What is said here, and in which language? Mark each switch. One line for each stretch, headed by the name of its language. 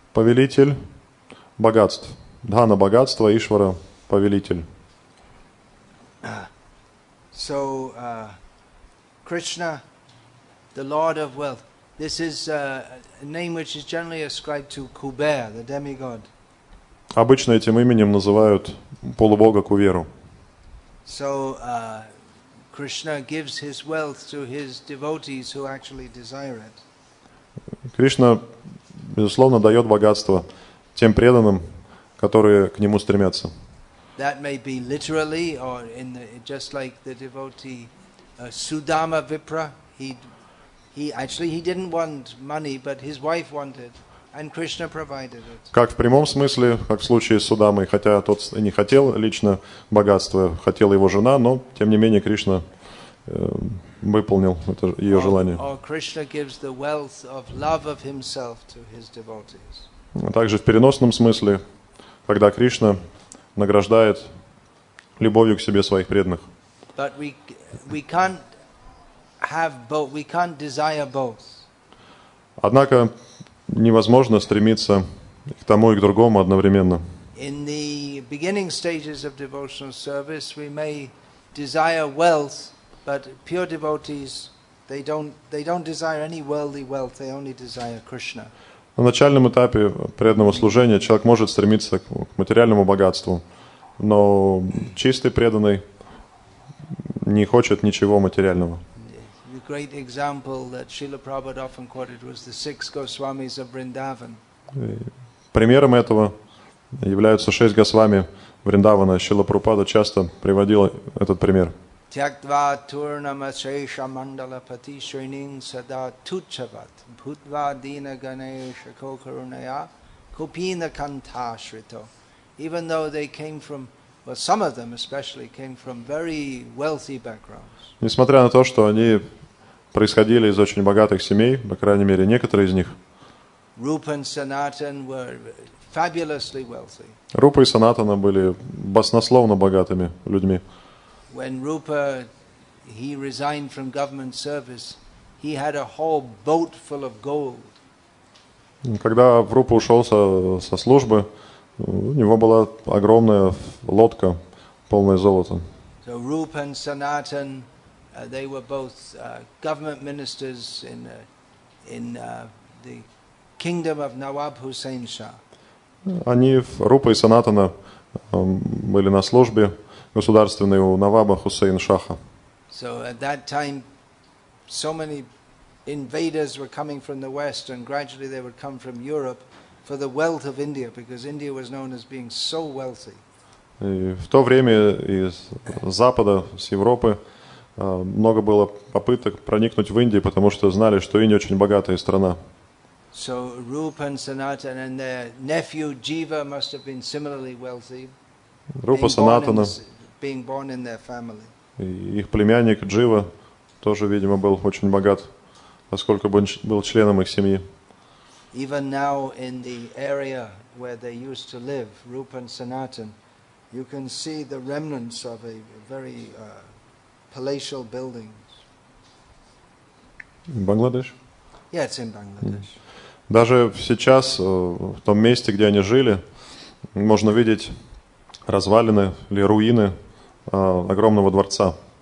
Russian: Повелитель богатств. Dhana – богатство, Ishwara – повелитель.
English: So, Krishna, the lord of wealth. This is a name which is generally ascribed to Kuber, the demigod.
Russian: Обычно этим именем называют полубога Куверу.
English: So Krishna gives his wealth to his devotees who actually desire it.
Russian: Кришна безусловно дает богатство тем преданным, которые к нему стремятся.
English: That may be literally or in the, just like the devotee Sudama Vipra, he didn't want money, but his wife wanted, and Krishna provided it.
Russian: Как в прямом смысле, как в случае с Судамой, хотя тот и не хотел лично богатство, хотела его жена, но тем не менее Кришна выполнил это ее желание.
English: Or Krishna gives the wealth of love of himself to his devotees.
Russian: Также в переносном смысле, когда Кришна награждает любовью к себе своих преданных.
English: But we can't have both. We can't desire both.
Russian: Однако невозможно стремиться к тому и к другому одновременно.
English: In the beginning stages of devotional service, we may desire wealth, but pure devotees they don't desire any worldly wealth. They only desire Krishna.
Russian: На начальном этапе преданного служения человек может стремиться к материальному богатству, но чистый преданный не хочет ничего материального.
English: Great example that Srila Prabhupada often quoted was the six Goswamis of Vrindavan.
Russian: Примером этого являются шесть Госвами Вриндавана. Шрила Прабхупада часто приводил этот пример.
Sanskrit: Тяктва турнама шейша мандала пати шринин сада тучават бхутва дина ганеша кокаруная купина канта шрито.
English: Even though they came from But some of them especially came from very wealthy backgrounds.
Russian: Несмотря на то, что они происходили из очень богатых семей, по крайней мере, некоторые из них.
English: Rupa and Sanatan were fabulously wealthy.
Russian: Рупа и Санатана были баснословно богатыми людьми.
English: When Rupa he resigned from government service, he had a whole boat full of gold.
Russian: Когда Рупа ушел со службы, у него была огромная лодка, полная золота.
English: So Rupa and Sanatan, they were both government ministers in the kingdom of Nawab Hussain Shah.
Russian: Они, Рупа и Санатана, были на службе государственной у Наваба Хусейн Шаха.
English: So at that time, so many invaders were coming from the West, and gradually they would come from Europe for the wealth of India, because India was known as being so wealthy.
Russian: И в то время из Запада, с Европы, много было попыток проникнуть в Индию, потому что знали, что Индия очень богатая страна.
English: So Rupa and Sanatana and their nephew Jiva must have been similarly wealthy. Rupa Sanatana being born in their family.
Russian: Их племянник Джива тоже, видимо, был очень богат, поскольку был членом их семьи.
English: Even now in the area where they used to live, Rupa and Sanatan, you can see the remnants of a very palatial buildings. In Bangladesh? Yeah, it's in Bangladesh.
Russian: Даже сейчас, в том месте, где они жили, можно видеть развалины или руины огромного дворца.